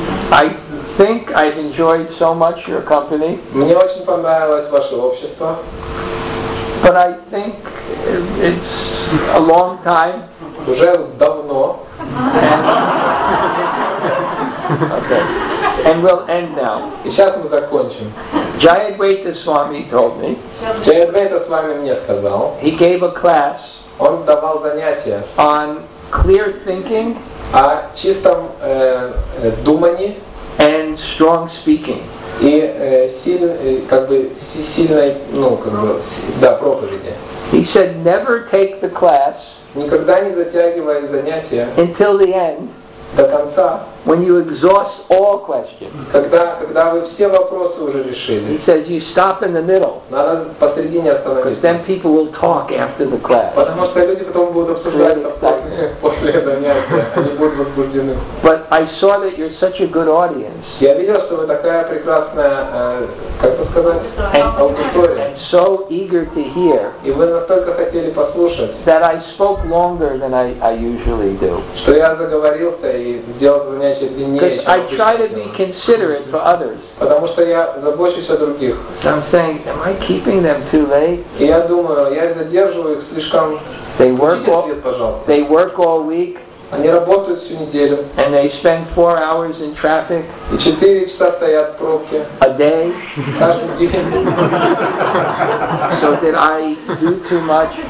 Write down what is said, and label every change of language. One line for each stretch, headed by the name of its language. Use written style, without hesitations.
English: I think I've enjoyed so much your company.
Russian: Мне очень понравилось ваше общество.
English: But I think it's a long time.
Russian: Уже давно.
English: Okay. And we'll end now.
Russian: И сейчас мы закончим.
English: Jayadvaita Swami told me.
Russian: Jayadvaita Swami мне сказал.
English: He gave a class.
Russian: Он давал занятия.
English: On clear thinking.
Russian: О чистом думании.
English: And strong speaking.
Russian: И сильной проповеди.
English: He said, never take the class.
Russian: никогда не затягивая занятия
English: until the end,
Russian: до конца,
English: when you exhaust all questions,
Russian: когда вы все вопросы уже решили,
English: he says you stop in the middle,
Russian: надо посередине остановиться,
English: because then people will talk after the class.
Russian: Потому что люди потом будут обсуждать после занятия, они будут возбуждены.
English: But I saw that you're such a good audience.
Russian: Я видел, что вы такая прекрасная, как это сказать, аудитория.
English: And so eager to hear.
Russian: И вы настолько хотели послушать.
English: That I spoke longer than I usually do.
Russian: Что я заговорился и сделал занятие длиннее.
English: Because I try to be considerate for others.
Russian: Потому что я забочусь о других.
English: So I'm saying, am I keeping them too late?
Russian: И я думаю, я задерживаю их слишком.
English: They work all week.
Russian: Они работают всю неделю.
English: And they spend 4 hours in traffic.
Russian: И 4 часа стоят в пробке.
English: A day.
Russian: Каждый день.
English: So did I do too much?